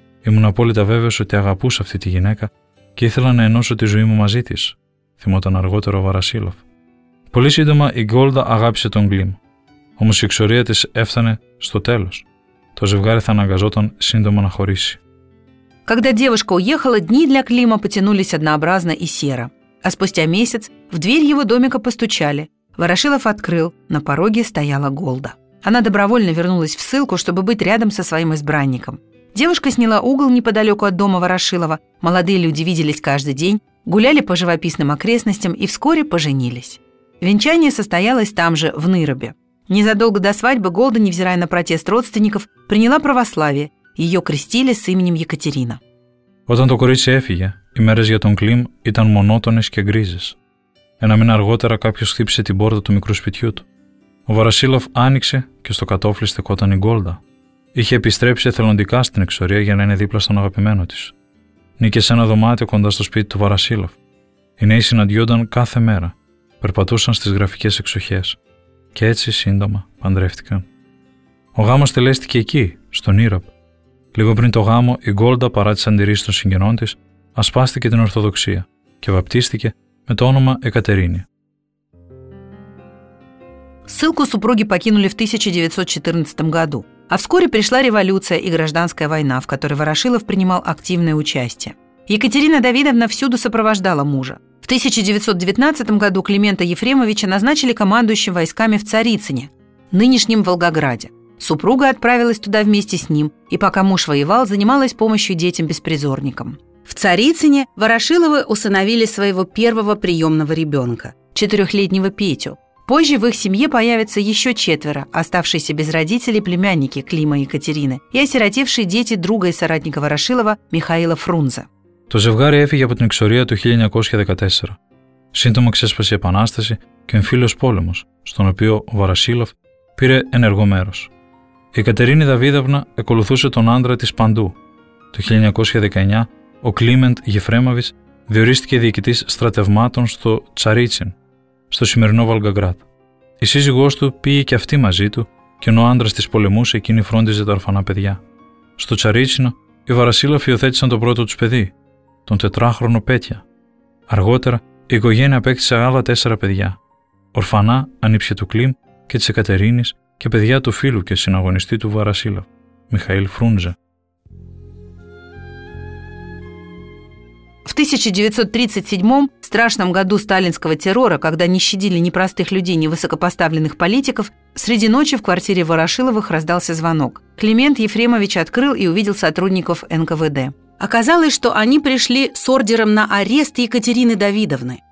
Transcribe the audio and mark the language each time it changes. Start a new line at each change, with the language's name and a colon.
Greek: Ήμουν απόλυτα βέβαιος ότι αγαπούσα αυτή τη γυναίκα και ήθελα να ενώσω τη ζωή μου μαζί της, θυμόταν αργότερο ο Βαρασίλοφ. Πολύ σύντομα η Γκόλδα αγάπησε τον Κλιμ. Όμως η εξορία της έφτανε στο τέλος. Το ζευγάρι θα αναγκαζόταν σύντομα να χωρίσει.
Russian: Когда девушка уехала, дни для Клима потянулись однообразно и серо. А спустя месяц в дверь его домика постучали. Ворошилов открыл, на пороге стояла Голда. Она добровольно вернулась в ссылку, чтобы быть рядом со своим избранником. Девушка сняла угол неподалеку от дома Ворошилова, молодые люди виделись каждый день, гуляли по живописным окрестностям и вскоре поженились. Венчание состоялось там же, в Ныробе. Незадолго до свадьбы Голда, невзирая на протест родственников, приняла православие. Ее крестили с именем Екатерина.
Greek: Όταν το κορίτσι έφυγε, οι μέρες για τον Κλιμ ήταν μονότονες και γκρίζες. Ένα μήνα αργότερα κάποιος χτύπησε την πόρτα του μικρού σπιτιού του. Ο Βαρασίλοφ άνοιξε και στο κατώφλι στεκόταν η Γκόλδα. Είχε επιστρέψει εθελοντικά στην εξορία για να είναι δίπλα στον αγαπημένο της. Νίκησε ένα δωμάτιο κοντά στο σπίτι του Βαρασίλοφ. Οι νέοι συναντιόνταν κάθε μέρα, περπατούσαν στις γραφικές εξοχές και έτσι σύντομα παντρεύτηκαν. Ο γάμος τελέστηκε εκεί, στον Ήρωπ. Λίγο πριν το γάμο, η Γκόλδα παρά τις αντιρρήσεις των συγγενών της, ασπάστηκε την Ορθοδοξία και βαπτίστηκε με το όνομα Εκατερίνη.
Russian: Ссылку супруги покинули в 1914 году, а вскоре пришла революция и гражданская война, в которой Ворошилов принимал активное участие. Екатерина Давидовна всюду сопровождала мужа. В 1919 году Климента Ефремовича назначили командующим войсками в Царицыне, нынешнем Волгограде. Супруга отправилась туда вместе с ним, и пока муж воевал, занималась помощью детям-беспризорникам. В Царицыне Ворошиловы усыновили своего первого приемного ребенка, 4-летнего Петю. Позже в их семье появятся еще четверо, оставшиеся без родителей племянники Клима и Екатерины и осиротевшие дети друга и соратника Ворошилова Михаила Фрунзе.
Greek: То ζευγάρι έφυγε από την εξορία του 1914. Σύντομα ξέσπασε η Επανάσταση και ο εμφύλιος πόλεμος, στον οποίο ο Ворошилов πήρε ενεργό μέρος. Η Κατερίνη Δαβίδαυνα εκολουθούσε τον άντρα της παντού. Το 1919 ο Κλίμεντ Γεφρέμαβης διορίστηκε διοικητής στρατευμάτων στο Τσαρίτσιν, στο σημερινό Βολγκογράδ. Η σύζυγός του πήγε και αυτή μαζί του και ενώ ο άντρας της πολεμούσε εκείνη φρόντιζε τα ορφανά παιδιά. Στο Τσαρίτσινο οι Βαρασίλοφοι υιοθέτησαν το πρώτο τους παιδί, τον τετράχρονο Πέτια. Αργότερα η οικογένεια απέκτησε άλλα τέσσερα παιδιά. Ορφανά ανήψια του Κλίμ και της Εκατερίνης και παιδιά του φίλου και συναγωνιστή του Βαρασίλοφ, Μιχαήλ Φρούντζε.
Russian: В 1937 страшном году сталинского террора, когда не щадили ни простых людей, ни высокопоставленных политиков, среди ночи в квартире Ворошиловых раздался звонок. Климент Ефремович открыл и увидел сотрудников НКВД. Оказалось, что они пришли с ордером на арест Екатерины Давидовны.